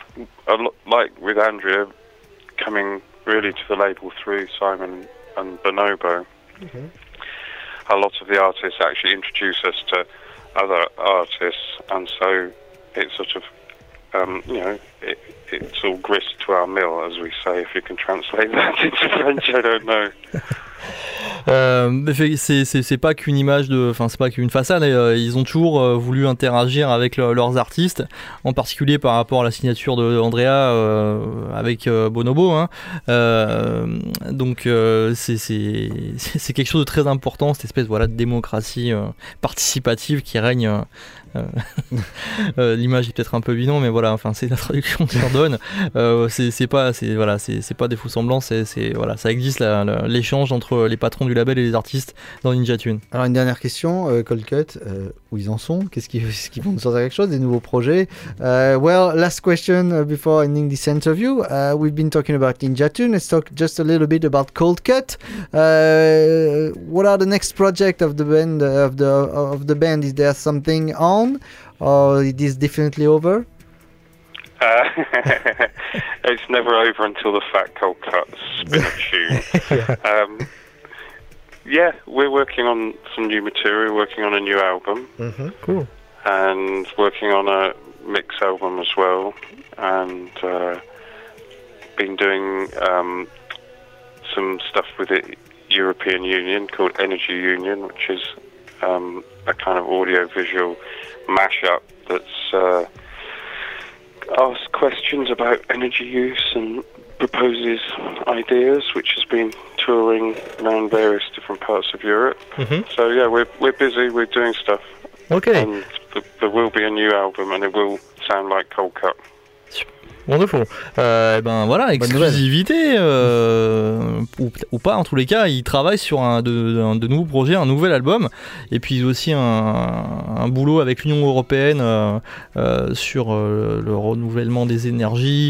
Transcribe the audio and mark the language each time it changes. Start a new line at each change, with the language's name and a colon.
English: And a lot, like with Andrea coming really to the label through Simon and Bonobo, mm-hmm. a lot of the artists actually introduce us to other artists, and so it's sort of, you know, it's all grist to our mill, as we say, if you can translate that into French, I don't know.
French: C'est pas qu'une image de, enfin c'est pas qu'une façade. Ils ont toujours voulu interagir avec leurs artistes, en particulier par rapport à la signature de Andrea avec Bonobo. Hein. C'est quelque chose de très important, cette espèce voilà de démocratie participative qui règne. l'image est peut-être un peu bidon, mais voilà, enfin c'est la traduction qui en donne. C'est pas des faux semblants, c'est voilà, ça existe l'échange entre les patrons du label et les artistes dans Ninja Tune. Alors une dernière question, Cold Cut, où ils en sont? Qu'est-ce qu'ils vont nous sortir quelque chose, des nouveaux projets?
English: Well, last question before ending this interview. We've been talking about Ninja Tune. Let's talk just a little bit about Cold Cut. What are the next project of the band? Of the band, is there something on, or it is definitely over? It's never over until the Fat Cold Cuts spin a tune. Yeah, we're working on some new material, working on a new album. Mm-hmm, cool. And working on a mix album as well. And been doing some stuff with the European Union called Energy Union, which is a kind of audio-visual mashup that's asks questions about energy use and proposes ideas, which has been touring around various different parts of Europe. Mm-hmm. So yeah, we're busy, we're doing stuff. Okay. And there will be a new album and it will sound like Cold Cut. Wonderful.
French: Voilà, exclusivité, ou pas, en tous les cas, ils travaillent sur de nouveaux projets, un nouvel album, et puis aussi un boulot avec l'Union Européenne sur le renouvellement des énergies.